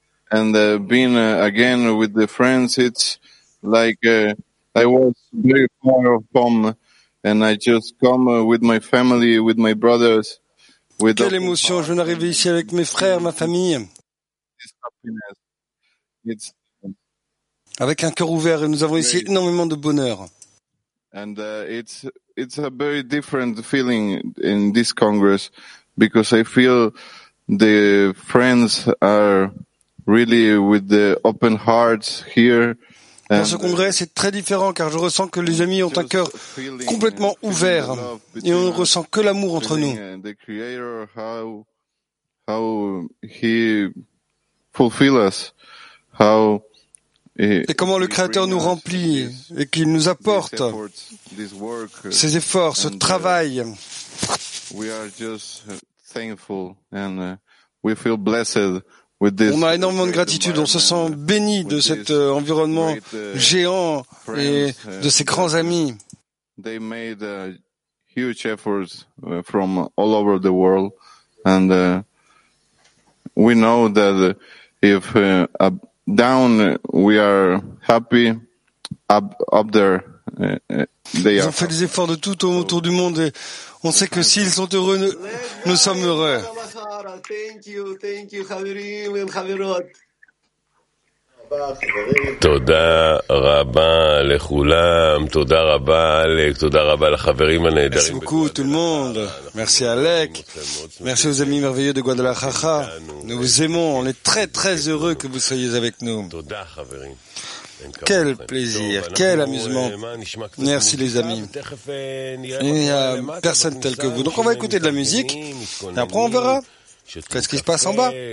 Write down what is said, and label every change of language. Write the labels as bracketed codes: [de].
[en] Again with the friends, it's like I was very far from, and I just come with my family, with my brothers. With [fr] quelle émotion! Je n'arrive ici avec mes frères, ma famille. [en] It's [fr] avec un cœur ouvert, et nous avons ici énormément de bonheur. [en] And it's a very different feeling in this Congress because I feel. The friends are really with the open hearts here. [fr] Dans ce congrès, c'est très différent car je ressens que les amis ont un cœur complètement ouvert et on ne ressent que l'amour entre nous. [en] The creator, how he fulfill us, how [fr] et comment le créateur nous remplit et qu'il nous apporte ses efforts, ce travail. [en] We are just thankful and we feel blessed with this. [fr] On a énormément de gratitude, on se sent béni de cet environnement géant et de ces grands amis. [en] They made huge efforts from all over the world and we know that if down we are happy up there they are. [fr] Ils ont fait des efforts de tout autour du monde et on sait que s'ils sont heureux, nous sommes heureux. [en] Thank you, Javirim and Javirot. [he] תודה רבה לכולם, תודה רבה אלק, תודה רבה לחברים הנהדרים. [fr] Merci beaucoup tout le monde, merci Alec, merci aux amis merveilleux de Guadalajara. Nous vous aimons, on est très très heureux que vous soyez avec nous. [he] תודה חברים. [fr] Quel plaisir, quel amusement. Merci les amis. Il n'y a personne tel que vous. Donc on va écouter de la musique et après on verra. Qu'est-ce qui se passe en bas?